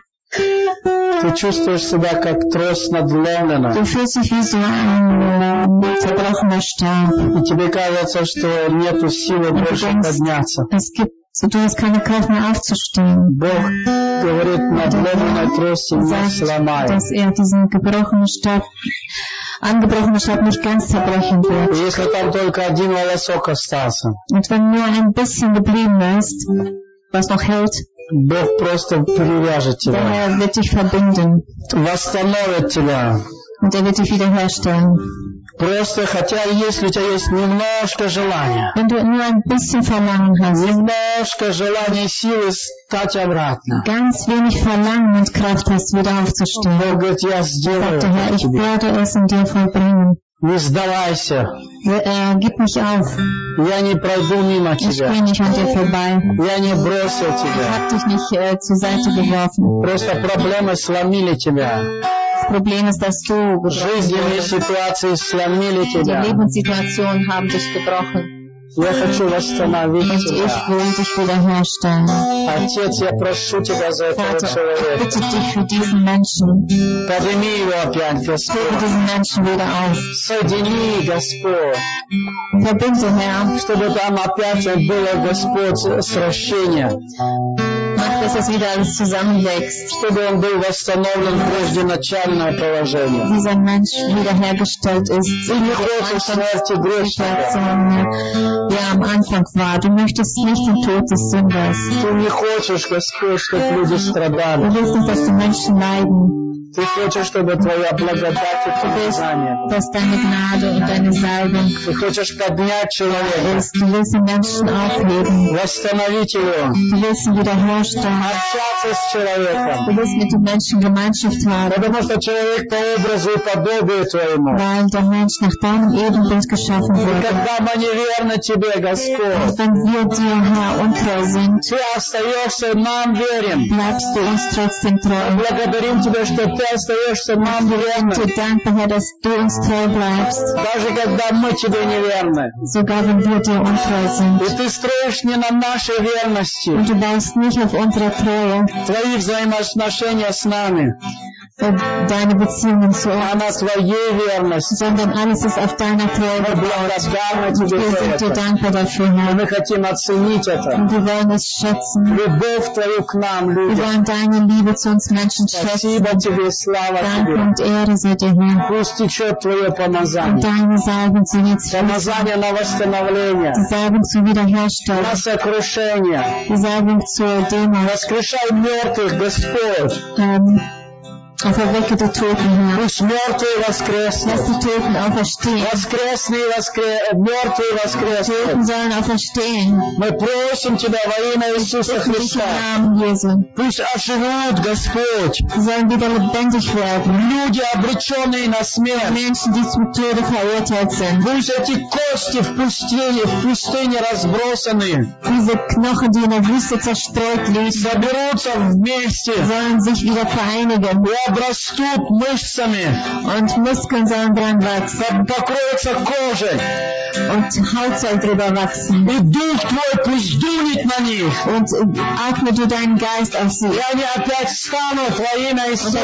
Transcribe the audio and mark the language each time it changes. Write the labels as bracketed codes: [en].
[ru] Ты чувствуешь себя как трость надломленная. И тебе кажется, что нет силы больше подняться. [de] So, du hast keine Kraft mehr aufzustehen. [ru] Бог говорит, надломленной трости не сломай. [de] Dass er diesen gebrochenen Stab, angebrochenen Stab nicht ganz zerbrechen wird. [ru] Если там только один волосок остался. [de] Und wenn nur ein bisschen geblieben ist, was noch hält, [ru] Бог просто перевяжет тебя. [de] Dann er wird dich verbinden. [ru] Восстановит тебя. [de] Und er wird dich wiederherstellen. [ru] Просто, хотя если у тебя есть немножко желания, [de] wenn du nur ein bisschen Verlangen hast, [ru] немножко желания и силы стать обратно, [de] ganz wenig Verlangen und Kraft hast, wieder aufzustehen, [ru] Бог говорит, я сделаю это тебе. [de] Ich werde es in dir vollbringen. [ru] Не сдавайся. [de] Gib mich auf. [ru] Я не пройду мимо тебя. [de] Ich bin nicht an dir vorbei. [ru] Я не бросил тебя. [de] Ich hab dich nicht zur Seite geworfen. [ru] Просто проблемы сломили тебя. Проблемы с достойным. Жизненные ситуации сломили тебя. [de] Die Lebensituation haben dich gebrochen. [ru] Я хочу восстановить [de] und [ru] тебя. [de] Ich will dich wiederherstellen. [ru] Отец, я прошу тебя за этого [de] Vater, [ru] человека. [de] Bitte dich für diesen Menschen. [ru] Подними его опять, Господь. [de] Hebe diesen Menschen wieder auf. [ru] Соедини, Господь. [de] Verbinde, Herr. [ru] Чтобы там опять было, Господь, сращение. [de] Dass es wieder alles zusammenwächst. Dieser Mensch wiederhergestellt ist. Wie am Anfang war. Du möchtest nicht den Tod des Sünders. Du möchtest nicht, dass die Menschen leiden. [ru] Ты хочешь, чтобы твоя благодать и помазание. [de] Gnade und deine Salbung. [ru] Ты хочешь поднять человека. Восстановить его. Общаться с человеком. Потому что человек по образу и подобию твоему. [de] Weil der Mensch nach deinem Ebenbild geschaffen wurde. [ru] И когда мы неверны тебе, Господь. Ты остаешься, нам верим. [de] Bleibst du uns trotzdem treu. [ru] Благодарим тебя, что ты остаешься нам верным. Даже когда мы тебе неверны. [de] Sogar wenn wir dir untreu sind. [ru] И ты строишь не на нашей верности. [de] Und du baust nicht auf unserer Treue. [ru] Твои взаимоотношения с нами. [de] deine Beziehungen zu uns, sondern alles ist auf deiner Treue gebaut. Wir sind dir dankbar dafür, Herr. Und wir wollen es schätzen. Wir wollen deine Liebe zu uns Menschen schätzen. Dank und Ehre sei dir, Herr. [ru] Пустичет твое помазание. Помазание на восстановление. На сокрушение. Воскрешай мертвых, Господь. [de] Auferwecke die Toten, Herr. Lass die Toten auferstehen. Lass die Toten auferstehen. Toten sollen auferstehen. [ru] Мы просим тебя во имя Иисуса Христа. Пусть оживут, Господь. [de] Sollen wieder lebendig werden. [ru] Люди, обреченные на смерть. [de] Menschen, die zum Tode verurteilt sind. [ru] Пусть эти кости в пустыне разбросаны. [de] Diese Knochen, die in der Wüste zerstreut liegen. [ru] Соберутся вместе. [de] Sollen sich wieder vereinigen. [ru] Обрастут мышцами. [de] Und Muskeln sollen dran wachsen. [ru] Покроются кожей. [de] Und Haut soll drüber wachsen. [ru] И дух твой пусть дунет на них. [de] Und atme du deinen Geist auf sie. [ru] И они опять встанут во имя Иисуса.